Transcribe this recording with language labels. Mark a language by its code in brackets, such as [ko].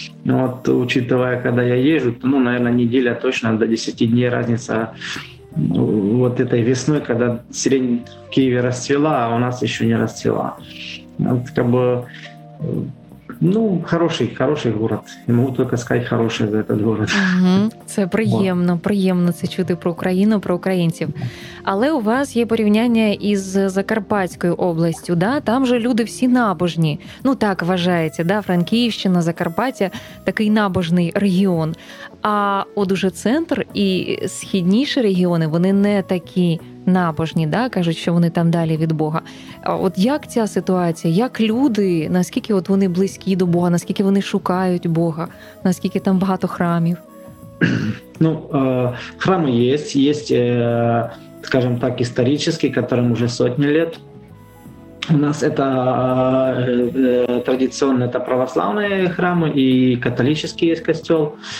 [ru] Вот, учитывая, когда я езжу, то, ну, наверное, неделя точно до 10 дней разница. Вот этой весной, когда сирень в Киеве расцвела, а у нас еще не расцвела. Вот, как бы, ну, хороший город. Я могу только сказать хороший за этот город. [uk] Це приємно, приємно це чути про Україну, про українців. Але у вас є порівняння із Закарпатською областю, да? Там же люди всі набожні. Ну, так вважається, да? Франківщина, Закарпаття – такий набожний регіон. А от уже центр і східніші регіони, вони не такі набожні, да? Кажуть, що вони там далі від Бога. От як ця ситуація, як люди, наскільки от вони близькі до Бога, наскільки вони шукають Бога, наскільки там багато храмів? [ru] Ну, храмы есть, есть, скажем так, исторические, которым уже сотни лет. У нас это традиционно это православные храмы и католический есть костел.